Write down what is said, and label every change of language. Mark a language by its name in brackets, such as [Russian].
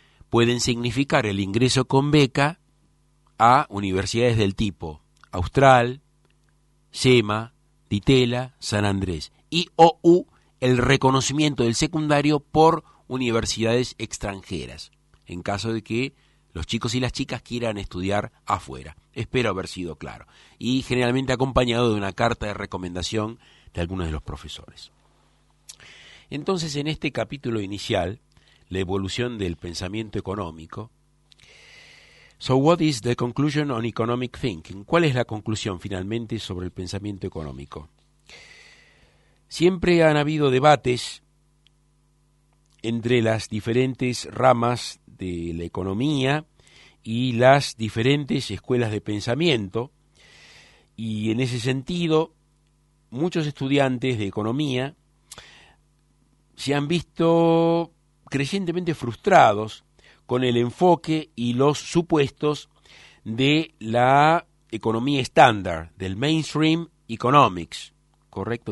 [Spanish] Pueden significar el ingreso con beca a universidades del tipo Austral, SEMA, Ditela, San Andrés y OU, el reconocimiento del secundario por universidades extranjeras, en caso de que los chicos y las chicas quieran estudiar afuera. Espero haber sido claro. Y generalmente acompañado de una carta de recomendación de algunos de los profesores. Entonces, en este capítulo inicial, la evolución del pensamiento económico. [English] So what is the conclusion on economic thinking? [Spanish] ¿Cuál es la conclusión finalmente sobre el pensamiento económico? Siempre han habido debates entre las diferentes ramas de la economía y las diferentes escuelas de pensamiento, y en ese sentido muchos estudiantes de economía se han visto crecientemente frustrados con el enfoque y los supuestos de la economía estándar, del mainstream economics, ¿correcto?